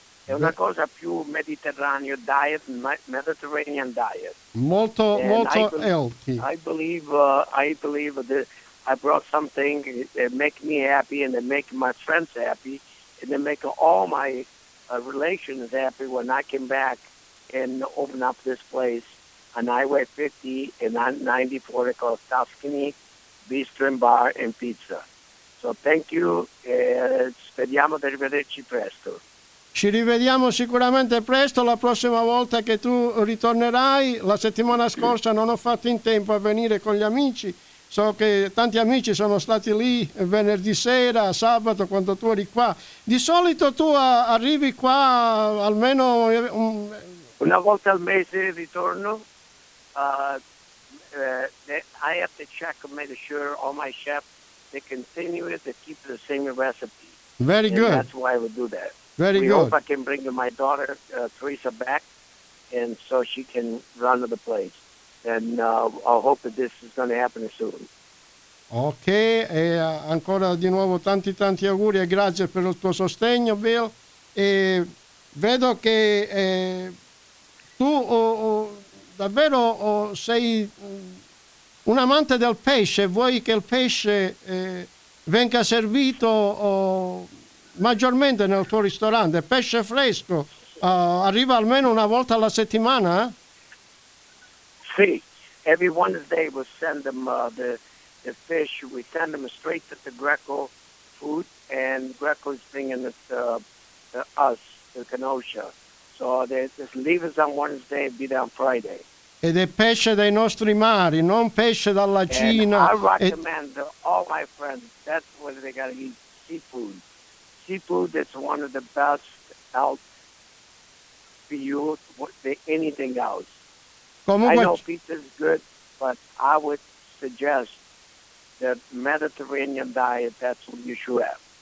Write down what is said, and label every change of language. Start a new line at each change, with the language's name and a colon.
Italian: È una cosa più mediterraneo diet, Mediterranean diet.
English: Molto, and molto healthy. I believe that I brought something that make me happy and that make my friends happy and that make all my relations happy when I came back and opened up this place on Highway 50 and 94 called Tuscany Bistro and Bar and Pizza. So thank you.
Italian: Speriamo di rivederci presto. Ci rivediamo sicuramente presto, la prossima volta che tu ritornerai. La settimana scorsa non ho fatto in tempo a venire con gli amici. So che tanti amici sono stati lì venerdì sera, sabato, quando tu eri qua. Di solito tu arrivi qua almeno... Una volta al mese ritorno.
English: I have to check and make sure all my chefs, they continue to keep the same recipe. Very and good. That's why I would do that. Very we good. Hope I can bring my daughter, Teresa, back, and so she can run to the place. And I hope that this is going to happen soon.
Italian: Ok, e ancora di nuovo tanti tanti auguri e grazie per il tuo sostegno, Bill. E vedo che tu davvero sei un amante del pesce, vuoi che il pesce venga servito maggiormente nel tuo ristorante, pesce fresco, arriva almeno una volta alla settimana?
English: Sì. Every Wednesday we send them the fish. We send them straight to the Greco food, and Greco is bringing it to us, to Kenosha. So they just leave us on Wednesday and be there on Friday.
Italian: Ed è pesce dei nostri mari, non pesce dalla Cina.
English: And I recommend to all my friends, that's what they got to eat, seafood. Seafood is one of the best health for you, anything else.
Italian: Comunque,
English: I know pizza is good, but I would suggest the Mediterranean diet, that's what you should have.